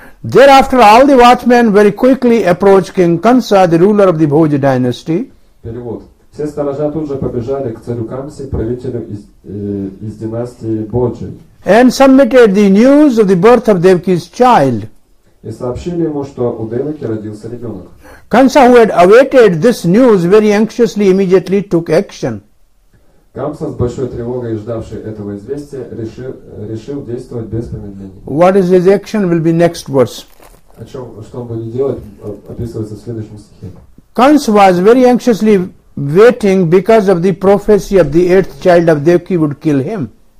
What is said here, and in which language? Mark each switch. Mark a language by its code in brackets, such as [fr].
[en] Thereafter, all the watchmen very quickly approached King Kamsa, the ruler of the Bhoja dynasty. [ru] Перевод. Все сторожа тут же побежали к царю Камсе, правителю из династии Боджи. [en] And submitted the news of the birth of Devaki's child. [ru] И сообщили ему, что у Деваки родился ребенок. [en] Kamsa, who had awaited this news very anxiously, immediately took action. [ru] Камса, с большой тревогой ждавший этого известия, решил действовать без промедления. [en] What is his action will be next verse. [ru] О чем, что он будет делать, описывается в следующем стихе. [en] Kamsa was very anxiously waiting because of the prophecy of the eighth child of Devaki would kill him.